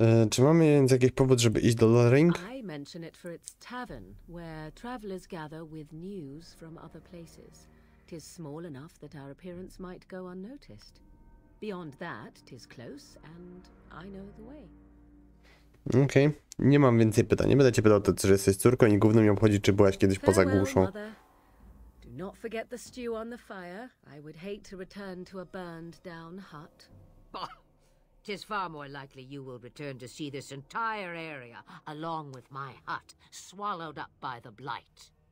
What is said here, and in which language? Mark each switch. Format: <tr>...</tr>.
<pl>Czy mamy więc jakiś powód, żeby iść do Lothering?</pl> <en>I mention it for its tavern, where travelers gather with news from other places. Tis small enough that our appearance might go unnoticed. Beyond that, tis close, and I know the way.</en> <pl>Okej, okay. Nie mam więcej pytań. Nie będę cię pytał o to, że jesteś córką i gówno mi obchodzi, czy byłaś kiedyś</pl> <en>farewell,</en> <pl>poza głuszą.</pl> <en>Mother. Do not forget the stew on the fire. I would hate to return to a burned down hut. Tis far more likely you will return to see this entire area, along with my hut, swallowed up by the blight.</en>